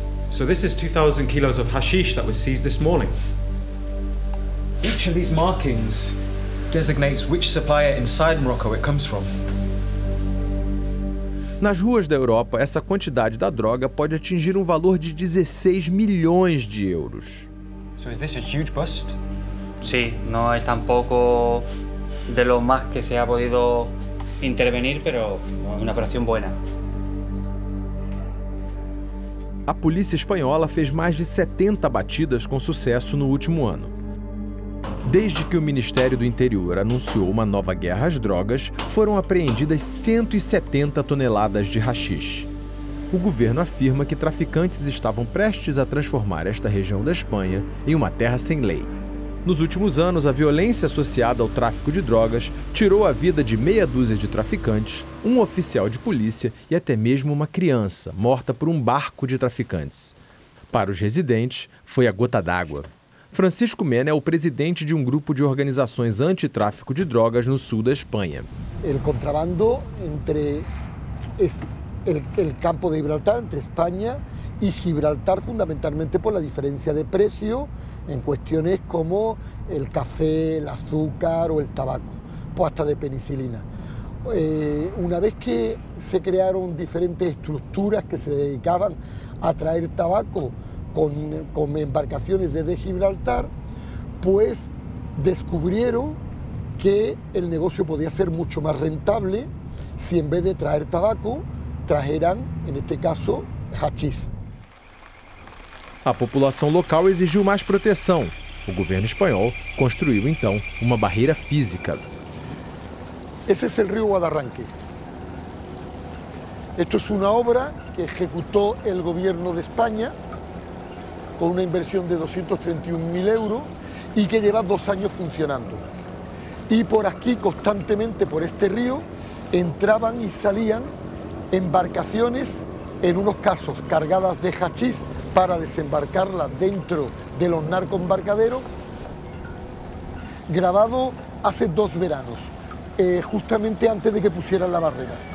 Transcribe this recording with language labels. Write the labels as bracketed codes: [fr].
[en] So this is 2000 kilos of hashish that was seized this morning. Each of these markings designates which supplier inside Morocco it comes from. [pt] Nas ruas da Europa, essa quantidade da droga pode atingir um valor de 16 milhões de euros. [en] So is this a huge bust? [es] Sí, no es tampoco de lo más que se ha podido intervenir, pero es una operación buena. [pt] A polícia espanhola fez mais de 70 batidas com sucesso no último ano. Desde que o Ministério do Interior anunciou uma nova guerra às drogas, foram apreendidas 170 toneladas de haxixe. O governo afirma que traficantes estavam prestes a transformar esta região da Espanha em uma terra sem lei. Nos últimos anos, a violência associada ao tráfico de drogas tirou a vida de meia dúzia de traficantes, um oficial de polícia e até mesmo uma criança morta por um barco de traficantes. Para os residentes, foi a gota d'água. Francisco Mena é o presidente de um grupo de organizações antitráfico de drogas no sul da Espanha. O contrabando entre el campo de Gibraltar, entre Espanha e Gibraltar, fundamentalmente por la diferença de preço em questões como o café, o açúcar ou o tabaco, ou até de penicilina. [es] Una vez que se crearon diferentes estructuras que se dedicaban a traer tabaco con embarcaciones desde Gibraltar, pues descubrieron que el negocio podía ser mucho más rentable si en vez de traer tabaco, trajeran, en este caso, hachís. [pt] A população local exigiu mais proteção. O governo espanhol construiu, então, uma barreira física. [es] Ese es el río Guadarranque. Esto es una obra que ejecutó el gobierno de España con una inversión de 231.000 euros y que lleva 2 años funcionando. Y por aquí, constantemente, por este río, entraban y salían embarcaciones, en unos casos cargadas de hachís para desembarcarlas dentro de los narcoembarcaderos, grabado hace 2 veranos. Justamente antes de que pusieran la barrera.